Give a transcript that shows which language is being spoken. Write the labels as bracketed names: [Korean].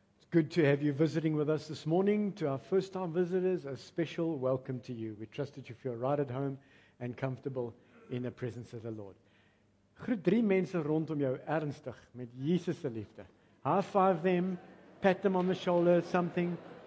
[English] Good to have you visiting with us this morning. To our first-time visitors, a special welcome to you. We trust that you feel right at home and comfortable in the presence of the Lord. [Afrikaans] Groet drie mense rondom jou ernstig met Jesus se liefde. [English] High five them, pat them on the shoulder, something.